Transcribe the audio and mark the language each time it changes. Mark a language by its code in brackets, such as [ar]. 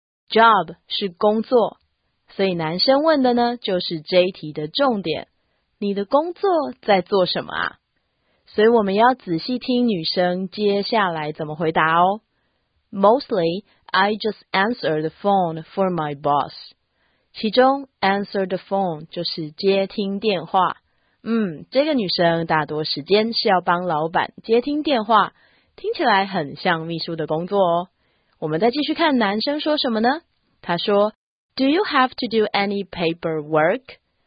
[zh] Job 是工作，所以男生问的呢就是这一题的重点，你的工作在做什么啊？所以我们要仔细听女生接下来怎么回答哦。 [en] Mostly, I just answer the phone for my boss. [zh] 其中 [en] answer the phone [zh] 就是接听电话。这个女生大多时间是要帮老板接听电话，听起来很像秘书的工作哦。我们再继续看男生说什么呢？他说 [en] Do you have to do any paperwork?